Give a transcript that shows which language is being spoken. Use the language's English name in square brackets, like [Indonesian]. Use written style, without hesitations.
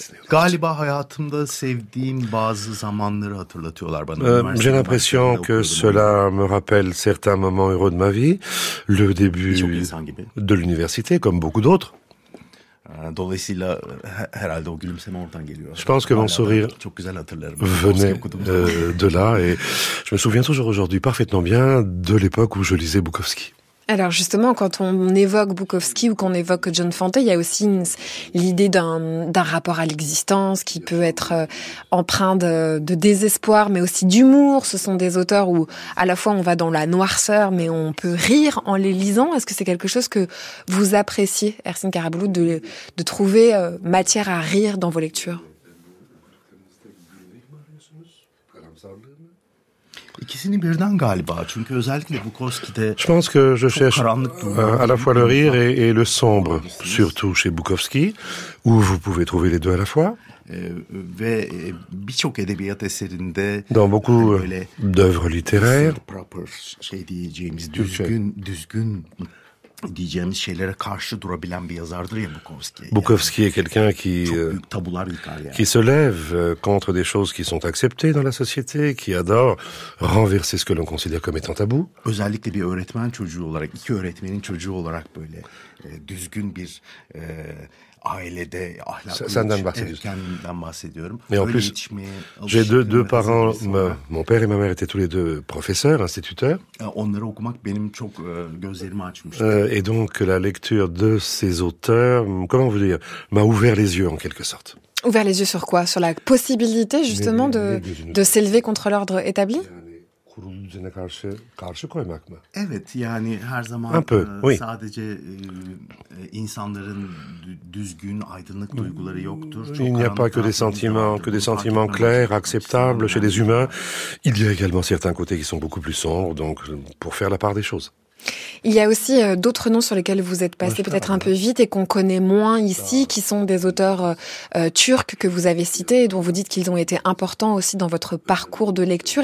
[Turkish] Galiba hayatımda sevdiğim bazı zamanları hatırlatıyorlar bana. [French] J'ai l'impression que cela me rappelle certains moments heureux de ma vie, le début de l'université comme beaucoup d'autres. [Turkish] Dolayısıyla herhalde o gülümseme oradan geliyor. [French] Je pense que mon sourire [Turkish] çok güzel hatırlarım. [French] Venait de là et je me souviens toujours aujourd'hui parfaitement bien de l'époque où je lisais Bukowski. Alors justement, quand on évoque Bukowski ou qu'on évoque John Fante, il y a aussi l'idée d'un rapport à l'existence qui peut être empreint de désespoir, mais aussi d'humour. Ce sont des auteurs où à la fois on va dans la noirceur, mais on peut rire en les lisant. Est-ce que c'est quelque chose que vous appréciez, Ersin Karabulut, de trouver matière à rire dans vos lectures ? [Turkish] İkisini birden galiba çünkü özellikle Bukowski'de [French] je pense que je cherche à la fois le rire et le sombre surtout chez Bukowski où vous pouvez trouver les deux à la fois [Turkish] ve birçok edebiyat eserinde [French] dans beaucoup d'œuvres littéraires [Turkish] şey diyeceğimiz düzgün diyeceğimiz şeylere karşı durabilen bir yazardır ya Bukowski. [French] Bukowski est quelqu'un qui qui se lève contre des choses qui sont acceptées dans la société, qui adore renverser ce que l'on considère comme étant tabou. [Turkish] Özellikle bir öğretmen çocuğu olarak, iki öğretmenin çocuğu olarak böyle düzgün bir ailede ahlaklı kendimden bahsediyorum. [French] Mais en plus, j'ai deux parents, mon père et ma mère étaient tous les deux professeurs, instituteurs. [Turkish] Onları okumak benim çok gözlerimi açmıştı. [French] Et donc la lecture de ces auteurs, comment vous dire, m'a ouvert les yeux en quelque sorte. Ouvert les yeux sur quoi ? Sur la possibilité justement de s'élever contre l'ordre établi ? [Turkish] Karşı koymak mı? Evet, yani her zaman sadece insanların düzgün, aydınlık duyguları yoktur. [French] Il n'y a pas que des sentiments clairs, acceptables chez les humains. Il y a également certains côtés qui sont beaucoup plus sombres, donc pour faire la part des choses. Il y a aussi d'autres noms sur lesquels vous êtes passé peut-être un peu vite et qu'on connaît moins ici, qui sont des auteurs turcs que vous avez cités et dont vous dites qu'ils ont été importants aussi dans votre parcours de lecture.